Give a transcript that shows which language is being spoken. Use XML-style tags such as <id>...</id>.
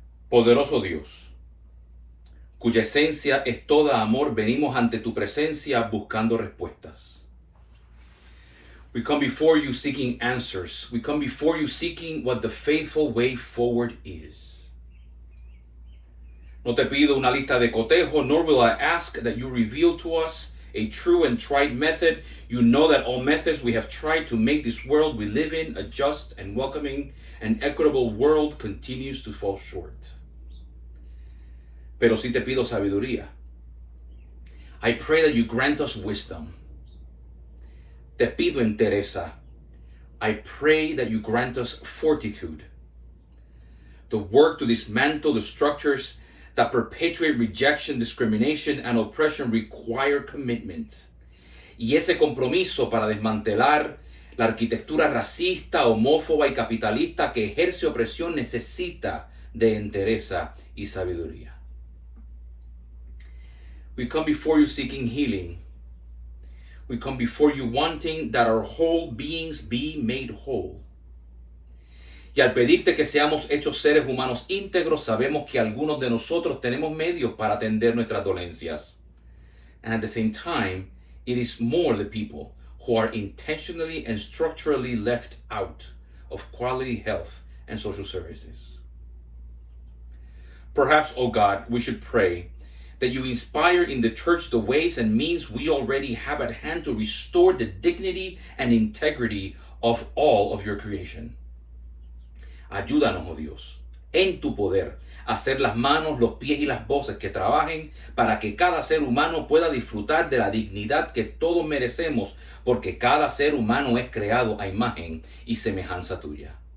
<es>Poderoso Dios, cuya esencia es toda amor, venimos ante tu presencia buscando respuestas.</es> <en>We come before you seeking answers. We come before you seeking what the faithful way forward is.</en> <es>No te pido una lista de cotejo,</es> <en>nor will I ask that you reveal to us a true and tried method. You know that all methods we have tried to make this world we live in a just and welcoming and equitable world continues to fall short.</en> <es>Pero si te pido sabiduría.</es> <en>I pray that you grant us wisdom.</en> <es>Te pido entereza.</es> <en>I pray that you grant us fortitude. The work to dismantle the structures that perpetuate rejection, discrimination, and oppression require commitment.</en> <es>y ese compromiso para desmantelar la arquitectura racista, homófoba y capitalista que ejerce opresión necesita de entereza y sabiduría.</es> <en>We come before you seeking healing. We come before you wanting that our whole beings be made whole.</en> <es>Y al pedirte que seamos hechos seres humanos íntegros, sabemos que algunos de nosotros tenemos medios para atender nuestras dolencias.</es> <en>And at the same time, it is more the people who are intentionally and structurally left out of quality health and social services. Perhaps, O God, we should pray that you inspire in the church the ways and means we already have at hand to restore the dignity and integrity of all of your creation.</en> <es>Ayúdanos, oh Dios, en tu poder, a hacer las manos, los pies y las voces que trabajen para que cada ser humano pueda disfrutar de la dignidad que todos merecemos, porque cada ser humano es creado a imagen y semejanza tuya.</es>